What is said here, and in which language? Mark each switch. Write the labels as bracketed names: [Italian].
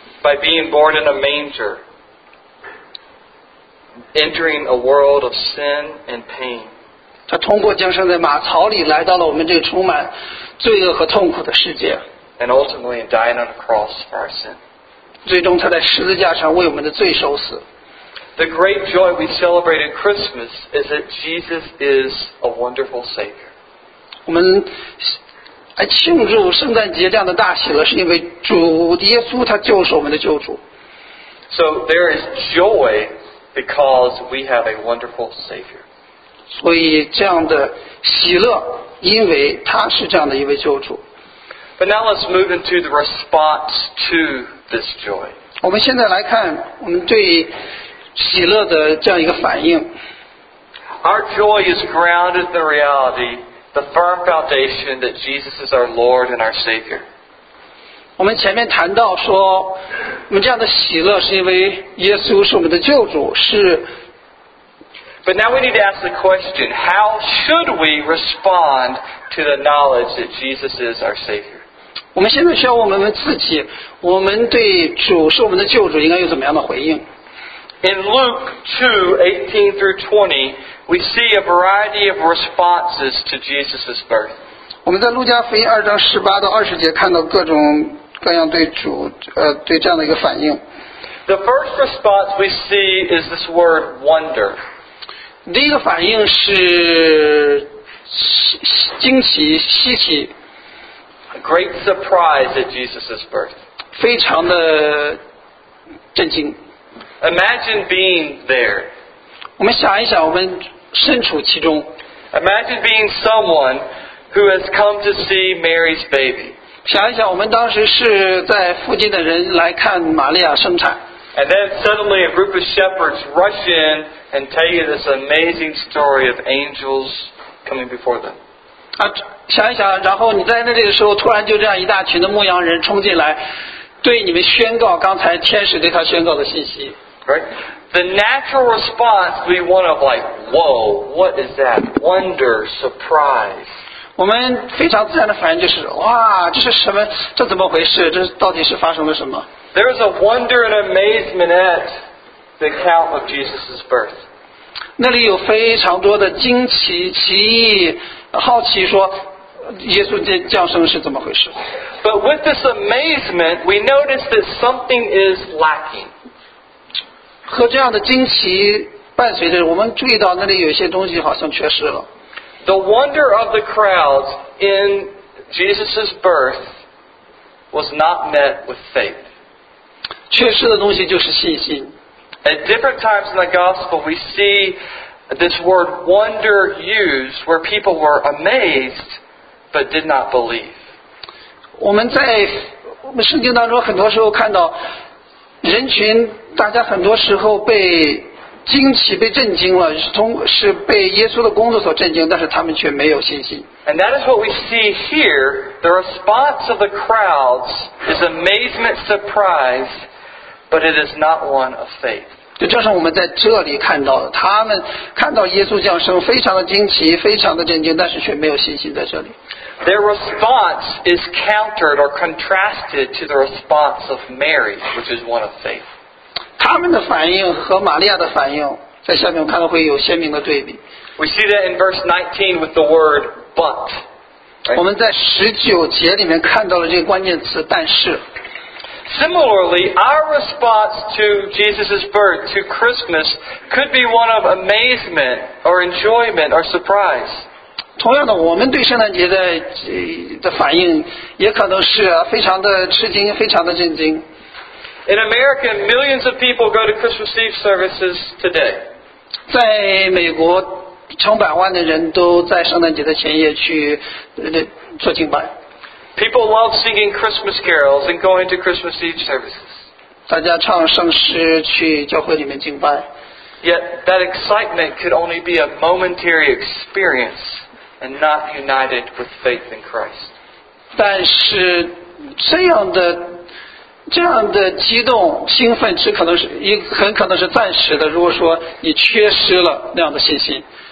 [English] By being born in a manger, entering a world of sin and pain. [Chinese] 他通过降生在马槽里，来到了我们这个充满罪恶和痛苦的世界。 [English] And ultimately, dying on a cross for our sin. [Chinese] 最终他在十字架上为我们的罪受死。 [English] The great joy we celebrate at Christmas is that Jesus is a wonderful Savior. [Chinese] 我们来庆祝圣诞节这样的大喜了，是因为主耶稣他就是我们的救主。 [English] So there is joy because we have a wonderful Savior. [Chinese] 所以这样的喜乐，因为他是这样的一位救主。 [English] But now let's move into the response to this joy. [Chinese] 我们现在来看我们对喜乐的这样一个反应。 [English] Our joy is grounded in the reality, the firm foundation that Jesus is our Lord and our Savior. [Chinese] 我们前面谈到说，我们这样的喜乐是因为耶稣是我们的救主，是。 [English] But now we need to ask the question, how should we respond to the knowledge that Jesus is our Savior? [Chinese] 我们现在需要问问自己，我们对主是我们的救主应该有怎么样的回应。 [English] In Luke 2:18-20, we see a variety of responses to Jesus' birth. [Chinese] 我们在路加福音二章十八到二十节看到各种各样对主对这样的一个反应。 [English] The first response we see is this word wonder. [Chinese] 第一个反应是惊奇稀奇。 [English] A great surprise at Jesus' birth. [Chinese] 非常的震惊。 [English] Imagine being there. [Chinese] 我们想一想，我们身处其中。 [English] Imagine being someone who has come to see Mary's baby. [Chinese] 想一想，我们当时是在附近的人来看玛利亚生产。 [English] And then suddenly a group of shepherds rush in and tell you this amazing story of angels coming before them. [Chinese] 啊，想一想，然后你在那里的时候，突然就这样一大群的牧羊人冲进来，对你们宣告刚才天使对他宣告的信息。 [English] Right. The natural response would be one of like, whoa, what is that? Wonder, surprise. [Chinese] 我们非常自然的反应就是，哇，这是什么？这怎么回事？这到底是发生了什么？ [English] There is a wonder and amazement at the account of Jesus' birth. [Chinese] 那里有非常多的惊奇、奇异、好奇说耶稣降生是怎么回事。 [English] But with this amazement, we notice that something is lacking. [Chinese] 和这样的惊奇伴随着我们注意到那里有些东西好像缺失了。 [English] The wonder of the crowds in Jesus' birth was not met with faith. [Chinese] 缺失的东西就是信心。 [English] At different times in the gospel, we see this word wonder used where people were amazed but did not believe. [Chinese] 我们在我们圣经当中很多时候看到人群大家很多时候被惊奇被震惊了 是被耶稣的工作所震惊但是他们却没有信心 [English] And that is what we see here The response of the crowds is amazement, surprise But it is not one of faith [Chinese] 就这是我们在这里看到的他们看到耶稣降生非常的惊奇非常的震惊但是却没有信心在这里 [English] Their response is countered or contrasted to the response of Mary Which is one of faith [Chinese] 他们的反应和玛利亚的反应在下面我看到会有鲜明的对比 [English] We see that in verse 19 with the word but、right? [Chinese] 我们在十九节里面看到了这个关键词但是 [English] Similarly, our response to Jesus' birth, to Christmas could be one of amazement or enjoyment or surprise [Chinese] 同样的我们对圣诞节 的反应也可能是、啊、非常的吃惊非常的震惊 [English] In America, millions of people go to Christmas Eve services today. [Chinese] 在美国，成百万的人都在圣诞节的前夜去做敬拜。 [English] People love singing Christmas carols and going to Christmas Eve services. [Chinese] 大家唱圣诗去教会里面敬拜。 [English] Yet that excitement could only be a momentary experience and not united with faith in Christ. [Chinese] 但是这样的这样的激动兴奋只可能是也很可能是暂时的如果说你缺失了那样的信心